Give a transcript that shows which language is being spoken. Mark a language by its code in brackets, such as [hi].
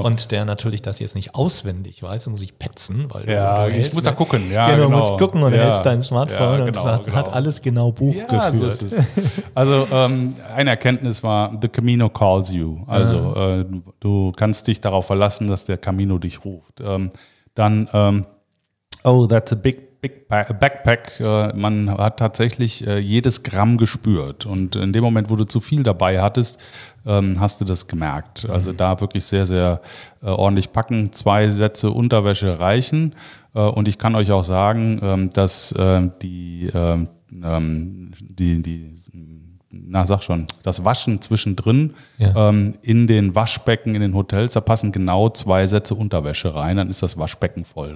[de] Und der natürlich das jetzt nicht auswendig weiß, muss ich petzen. Weil, ja, ich muss da gucken. Ja, genau, genau. Musst gucken und, ja, hältst dein Smartphone, ja, genau, und sagst, genau, hat alles genau Buch, ja, geführt. So ist es. Also eine Erkenntnis war, [en] the Camino calls you. [de] Also du kannst dich darauf verlassen, dass der Camino dich ruft. [en] Dann, that's a big backpack. [de] Man hat tatsächlich jedes Gramm gespürt. Und in dem Moment, wo du zu viel dabei hattest, hast du das gemerkt. Also da wirklich sehr, sehr ordentlich packen. Zwei Sätze Unterwäsche reichen. Und ich kann euch auch sagen, dass das Waschen zwischendrin, ja, in den Waschbecken in den Hotels, da passen genau zwei Sätze Unterwäsche rein, dann ist das Waschbecken voll.